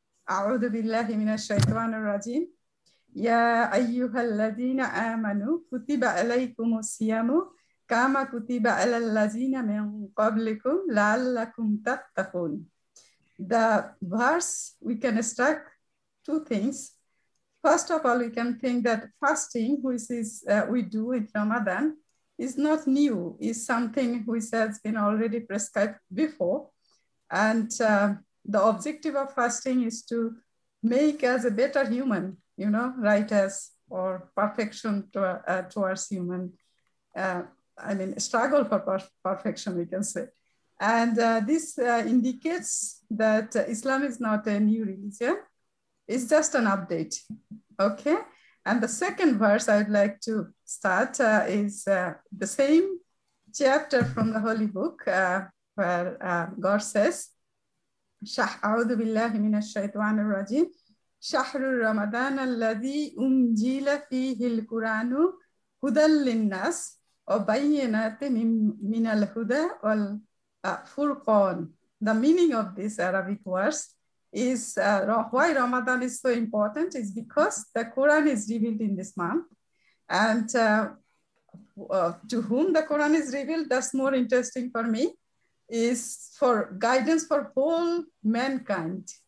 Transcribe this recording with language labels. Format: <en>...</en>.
<ar>أعوذ بالله من الشيطان الرجيم يا أيها الذين آمنوا كتب عليكم الصيام كما كتب على الذين من قبلكم لعلكم تتقون.</ar> <en>The verse, we can extract two things. First of all, we can think that fasting, which is we do in Ramadan, is not new. It's something which has been already prescribed before. And the objective of fasting is to make us a better human, you know, right as or perfection towards human. Struggle for perfection, we can say. And this indicates that Islam is not a new religion. It's just an update. Okay. And the second verse I'd like to start is the same chapter from the Holy Book where God says,</en> <ar>أعوذ بالله من الشيطان الرجيم شهر رمضان الذي أنزل فيه القرآن هدى للناس وبينات من الهدى والفرقان.</ar> <en>The meaning of this Arabic verse is why Ramadan is so important is because the Quran is revealed in this month. And to whom the Quran is revealed, that's more interesting for me, is for guidance for whole mankind.</en>